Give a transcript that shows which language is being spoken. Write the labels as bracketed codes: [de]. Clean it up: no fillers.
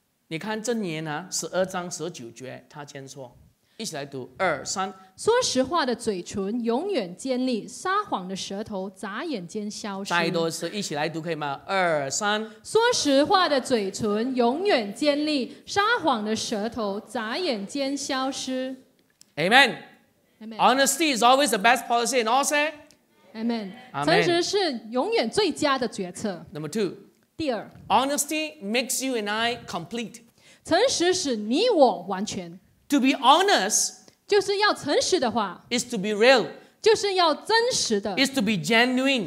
[zh] 你看箴言啊，十二章十九节，他先说，一起来读二三。说实话的嘴唇永远坚利，撒谎的舌头眨眼间消失。再多次，一起来读可以吗？二三。说实话的嘴唇永远坚利，撒谎的舌头眨眼间消失。 [en] Amen. Amen. Honesty is always the best policy, and all say. Amen. [zh] 诚实是永远最佳的决策。 [en] Number two. [zh] 第二。 [en] Honesty makes you and I complete. [zh] 诚实使你我完全。 [en] To be honest. [zh] 就是要诚实的话。 [en] Is to be real. [zh] 就是要真实的。 [en] Is to be genuine.